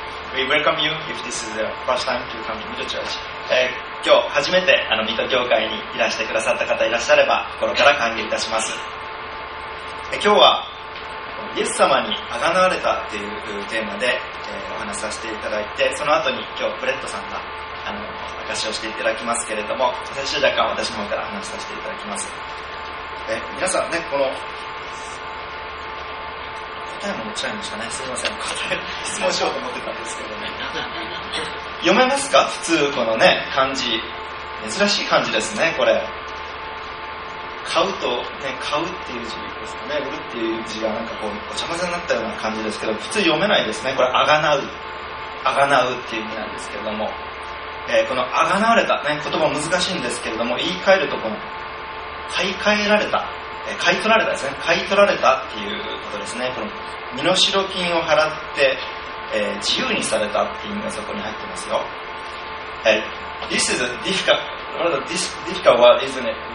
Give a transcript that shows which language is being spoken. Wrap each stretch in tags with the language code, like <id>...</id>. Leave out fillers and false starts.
<en>We welcome you if this is the first time to come to Mito Church.</en> <ja>今日初めてあの水戸教会にいらしてくださった方いらっしゃれば心から歓迎いたします。今日はイエス様に贖われたというテーマで、お話しさせていただいて、その後に今日ブレットさんが証しをしていただきますけれども、最終若干私の方から話しさせていただきます。皆さんね、この答えも持ち合いましたね、すみません、答え質問しようと思ってたんですけどね。読めますか、普通このね漢字、珍しい漢字ですね。これ買うとね、買うっていう字ですかね、売るっていう字がなんかこうお茶混ぜになったような感じですけど、普通読めないですね。これあがなう、あがなうっていう意味なんですけれども、このあがなわれた、ね、言葉難しいんですけれども、言い換えるとこの買い替えられた、買い取られたですね、買い取られたっていうことですね。この身の代金を払って、自由にされたっていう意味がそこに入ってますよ。</ja> <en>This is a difficult, this difficult word, isn't it?</en>